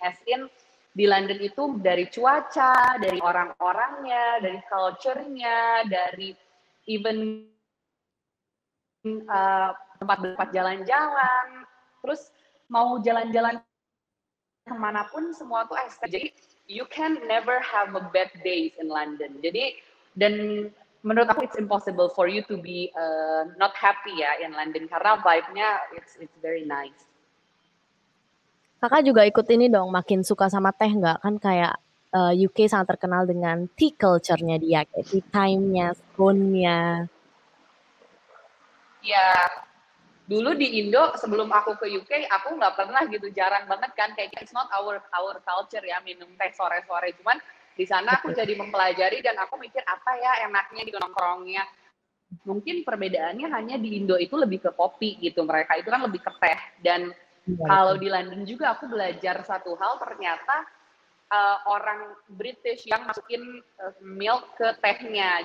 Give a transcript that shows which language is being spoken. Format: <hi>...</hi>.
<id>As in, di London itu dari cuaca, dari orang-orangnya, dari culture-nya, dari even tempat-tempat jalan-jalan, terus mau jalan-jalan kemanapun semua tuh estetik.</id> <en>Jadi you can never have a bad day in London.</en> <id>Jadi dan menurut aku</id> <en>it's impossible for you to be not happy ya in London</en> <id>karena vibe-nya</id> <en>it's very nice.</en> <id>Kakak juga ikut ini dong, makin suka sama teh nggak? Kan kayak UK sangat terkenal dengan tea culture-nya dia, kayak tea time-nya, scone-nya. Ya, dulu di Indo, sebelum aku ke UK, aku nggak pernah gitu, jarang banget kan. Kayak</id> <en>it's not our culture</en> <id>ya, minum teh sore-sore. Cuman di sana aku jadi mempelajari dan aku mikir apa ya enaknya di nongkrongnya. Mungkin perbedaannya hanya di Indo itu lebih ke kopi gitu, mereka itu kan lebih ke teh. Dan kalau di London juga aku belajar satu hal, ternyata orang British yang masukin milk ke tehnya.</id>